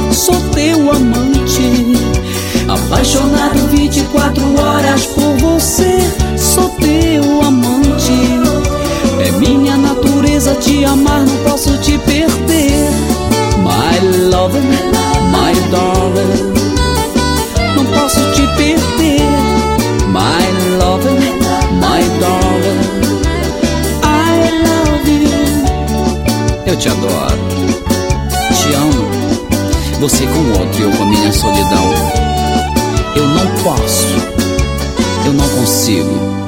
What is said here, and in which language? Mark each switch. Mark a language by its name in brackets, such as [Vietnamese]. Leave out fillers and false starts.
[Portuguese] Sou teu amante, apaixonado 24 horas por você. Sou teu amante, é minha natureza te amar, não posso te perder. [English] My lover, my darling, [Portuguese] não posso te perder. [English] My lover, my darling, I love you. [Portuguese] Eu te adoro, te amo. Você com outro e eu com a minha solidão. Eu não posso, eu não consigo